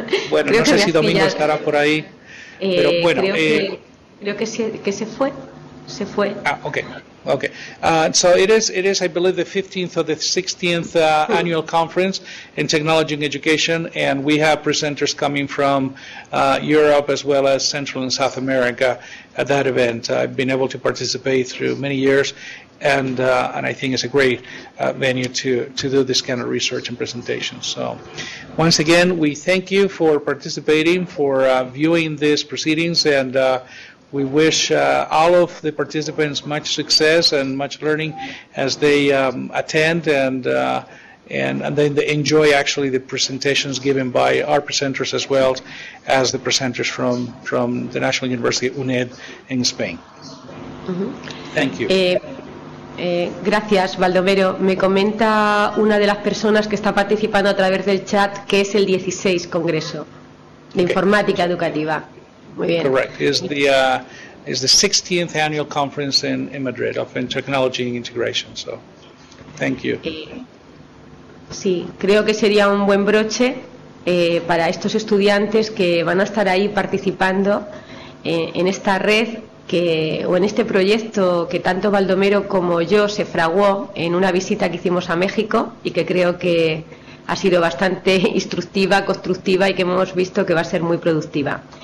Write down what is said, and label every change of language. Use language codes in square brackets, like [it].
[es] Bueno, no sé si Domingo estará por ahí. Pero bueno, creo que se fue. [en] Ah, okay. Okay, so it is, I believe, the 15th or the 16th annual conference in technology and education, and we have presenters coming from Europe as well as Central and South America at that event. I've been able to participate through many years, and I think it's a great venue to do this kind of research and presentation. So once again, we thank you for participating, for viewing these proceedings, and we wish all of the participants much success and much learning as they attend and then they enjoy actually the presentations given by our presenters as well as the presenters from the National University UNED in Spain. Mm-hmm. Thank you. [es] Gracias, Baldomero. Me comenta una de las personas que está participando a través del chat que es el 16 Congreso de okay. Informática Educativa. Muy bien. [en] Correct. Is the 16th annual conference in Madrid of in technology and integration. So, thank you. [es] Sí, creo que sería un buen broche para estos estudiantes que van a estar ahí participando en esta red que o en este proyecto que tanto Baldomero como yo se fraguó en una visita que hicimos a México y que creo que ha sido bastante instructiva, constructiva y que hemos visto que va a ser muy productiva.